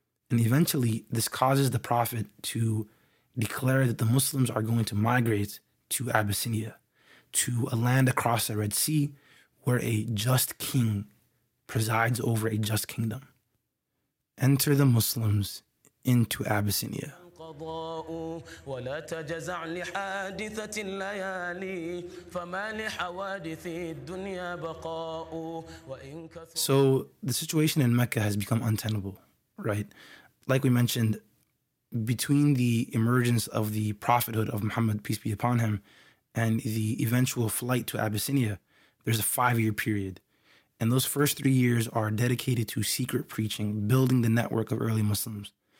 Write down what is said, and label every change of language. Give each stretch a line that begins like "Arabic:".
English: And eventually, this causes the Prophet to declare that the Muslims are going to migrate to Abyssinia, to a land across the Red Sea, where a just king presides over a just kingdom. Enter the Muslims into Abyssinia.
Arabic: ولا تجزع لحادثة الليالي فما لحوادث الدنيا بقاء.
English: So the situation in Mecca has become untenable, right? Like we mentioned, between the emergence of the prophethood of Muhammad, peace be upon him, and the eventual flight to Abyssinia, there's a five-year period. And those first 3 years are dedicated to secret preaching, building the network of early Muslims.